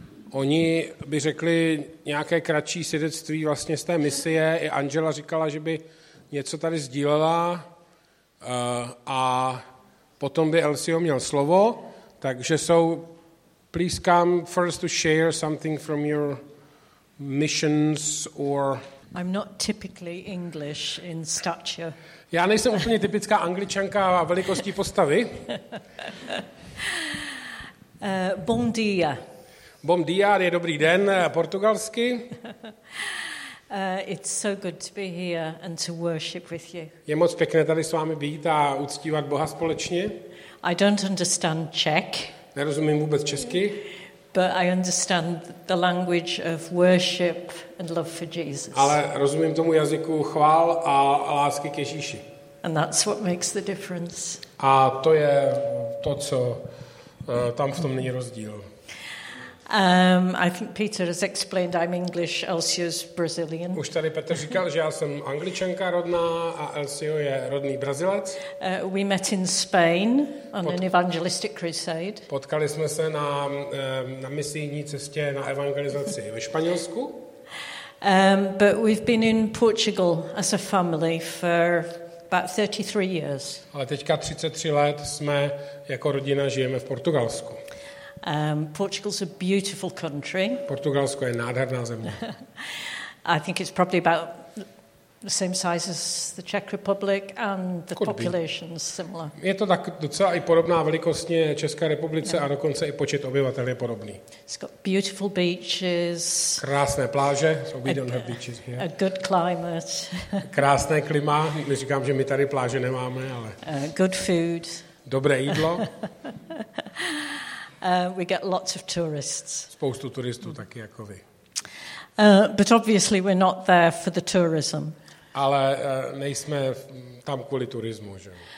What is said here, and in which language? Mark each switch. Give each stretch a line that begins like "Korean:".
Czech: Oni by řekli nějaké kratší svědectví vlastně z té misie. I Angela říkala, že by něco tady sdílela a potom by Elsio měl slovo. Takže jsou,
English: please come first to share something from your missions or... I'm not typically English in stature.
Czech: Já nejsem úplně typická Angličanka a velikostí postavy.
Portuguese: Bom dia. Bom dia
Czech: je dobrý den portugalsky.
English: It's so good to be here and to worship with you.
Czech: Je moc pěkné tady s vámi být a uctívat Boha společně.
English: I don't understand Czech.
Czech: Nerozumím vůbec česky.
English: But I understand the language of worship and love for Jesus.
Czech: Ale rozumím tomu jazyku chvál a lásky k Ježíši.
English: And that's what makes the difference.
Czech: A to je to, co tam v tom není rozdíl.
English: I think Peter has explained I'm English, Elsio's Brazilian.
Czech: Už tady Petr říkal, že já jsem Angličanka rodná a Elsio je rodný Brazilec.
English: We met in Spain on an evangelistic crusade.
Czech: Potkali jsme se na misijní cestě na evangelizaci ve Španělsku.
English: But we've been in Portugal as a family for about 33 years.
Czech: Ale teďka 33 let jsme jako rodina žijeme v Portugalsku.
English: Portugal's a beautiful country.
Czech: Portugalsko je nádherná země.
English: I think it's probably about the same size as the Czech Republic and the population is similar.
Czech: Je to tak docela i podobná velikostně České republice a dokonce i počet obyvatel je podobný.
English: It's got beautiful beaches.
Czech: Krásné pláže,
English: so we don't have beaches here. A good climate.
Czech: Krásné klima, neříkám, že my tady pláže nemáme, ale...
English: Good food.
Czech: Dobré jídlo.
English: We get lots of tourists.
Czech: Spoustu turistů taky jako vy.
English: But obviously we're not there for the tourism.
Czech: Ale nejsme tam kvůli turismu, že?